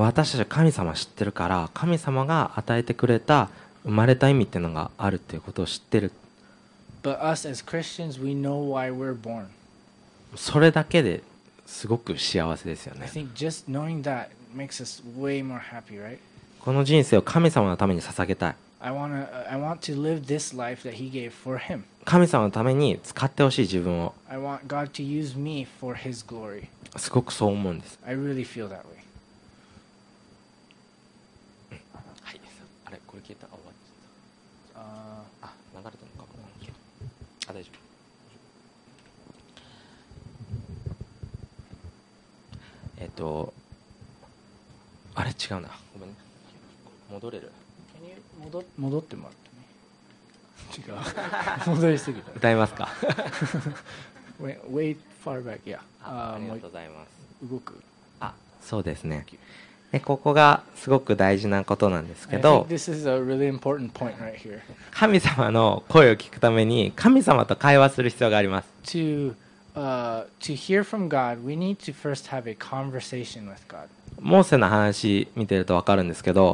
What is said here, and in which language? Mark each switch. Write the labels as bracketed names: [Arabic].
[Japanese] 私たちは神様知ってるから、神様が与えてくれた生まれた意味っていうのがあるっていうことを知ってる。 [English] But us as Christians, we know why we're born. [Japanese] それだけですごく幸せですよね。 [English] I think just knowing that makes us way more happy, right? [Japanese] この人生を神様のために捧げたい。 [English] I want to live this life that he gave for him. [Japanese] 神様のために使ってほしい自分を。 [English] I want God to use me for his glory. [Japanese] すごくそう思うんです。 [English] I really feel that way. [Japanese] 消えた、あ、終わっちゃった、あ、流れたのかも、あ、大丈夫。あれ違うな、ごめんね、戻れる、戻ってもらってね、違う、戻りすぎた、歌いますか。 [English] Wait far back, yeah. [Japanese] ありがとうございます。動く、あ、そうですね、でここがすごく大事なことなんですけど、 [English] This is a really important point right here. [Japanese] 神様の声を聞くために神様と会話する必要があります。 [English] To hear from God, we need to first have a conversation with God. [Japanese] モーセの話見てると分かるんですけど、